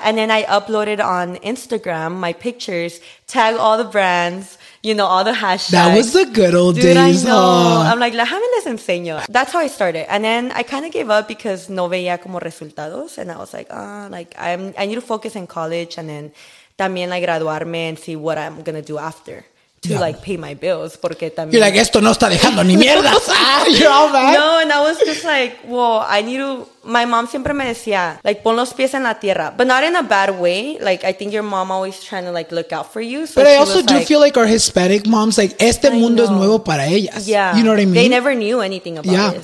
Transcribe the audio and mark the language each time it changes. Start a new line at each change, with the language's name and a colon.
English: And then I uploaded on Instagram my pictures, tag all the brands, you know, all the hashtags. That was the good old days. Dude, I know. Aww. I'm like, déjame les enseño. That's how I started. And then I kind of gave up because no veía como resultados. And I was like, I need to focus in college and then también like graduarme and see what I'm going to do after. To like pay my bills, porque también.
Spanish: You're like, esto no está dejando ni mierdas.
English: You're all bad. No, and I was just like, whoa, I need to. My mom siempre me decía, like, pon los pies en la tierra, but not in a bad way. Like, I think your mom always trying to like look out for you. So but I also do feel like our Hispanic moms, like, este mundo es nuevo para ellas. Yeah. You know what I mean? They never knew anything about it.